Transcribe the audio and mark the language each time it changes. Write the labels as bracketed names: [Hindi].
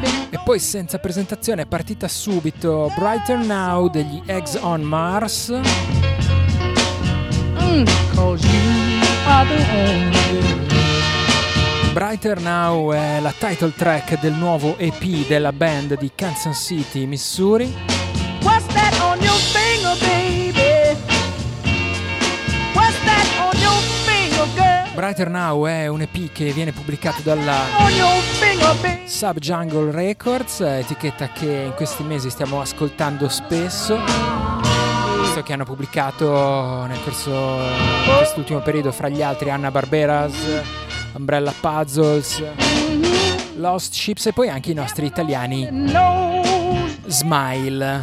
[Italian] E poi, senza presentazione, è partita subito Brighter Now degli Eggs on Mars. Brighter Now è la title track del nuovo EP della band di Kansas City, Missouri. [English] What's that on your finger, baby? What's that on your finger, girl? [Italian] Brighter Now è un EP che viene pubblicato dalla Sub Jungle Records, etichetta che in questi mesi stiamo ascoltando spesso, visto che hanno pubblicato nel corso di quest'ultimo periodo, fra gli altri, Anna Barberas, Umbrella Puzzles, Lost Ships e poi anche i nostri italiani Smile.